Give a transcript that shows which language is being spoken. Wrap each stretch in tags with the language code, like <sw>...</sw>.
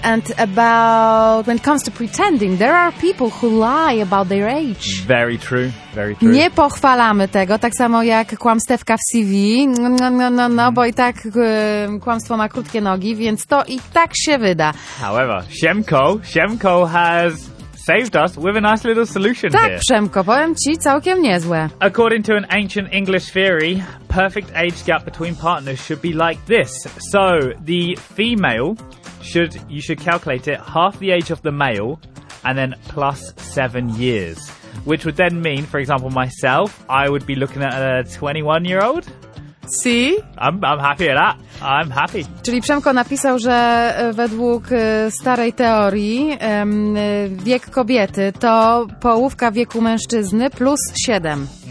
<en>And about when it comes to pretending, there are people who lie about their age. Very true, very true.</en> <pl>Nie pochwalamy tego, tak samo jak kłamstewka w CV. Bo i tak kłamstwo ma krótkie nogi, więc to i tak się wyda.</pl> <en>However, Siemko has saved us with a nice little solution</en> <pl>tak,</pl> <en>here.</en> <pl>Tak, Przemko, powiem ci, całkiem niezłe.</pl> <en>According to an ancient English theory, perfect age gap between partners should be like this. So, the female should, you should calculate it, half the age of the male, and then plus 7 years. Which would then mean, for example, myself, I would be looking at a 21-year-old. See? I'm happy with that. I'm happy.</en> <pl>Czyli Przemko napisał, że według starej teorii wiek kobiety to połówka wieku mężczyzny plus 7.</pl>